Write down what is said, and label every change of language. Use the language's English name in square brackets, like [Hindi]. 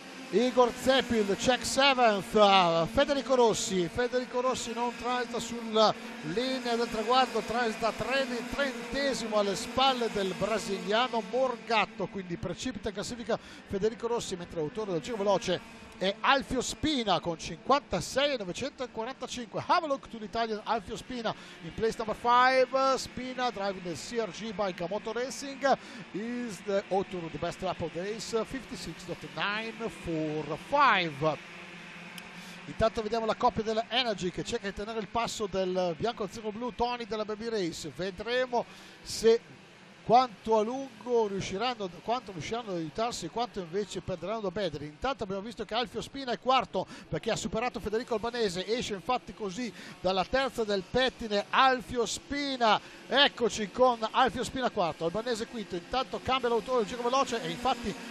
[Italian] Igor Zeppel, check seventh, Federico Rossi non transita sulla linea del traguardo, transita trentesimo alle spalle del brasiliano Morgatto, quindi precipita in classifica Federico Rossi, mentre l'autore del giro veloce è Alfio Spina con 56.945. [English] Have a look to the Italian Alfio Spina in place number 5, Spina driving the CRG by Gamoto Racing is the author of the best lap of the race, 56.945. [Italian] Intanto vediamo la coppia della Energy che cerca di tenere il passo del bianco zero blu Tony della Baby Race, vedremo se quanto a lungo riusciranno, quanto riusciranno ad aiutarsi e quanto invece perderanno da Bedrin. Intanto abbiamo visto che Alfio Spina è quarto perché ha superato Federico Albanese, esce infatti così dalla terza del pettine Alfio Spina, eccoci con Alfio Spina quarto, Albanese quinto, intanto cambia l'autore del giro veloce e infatti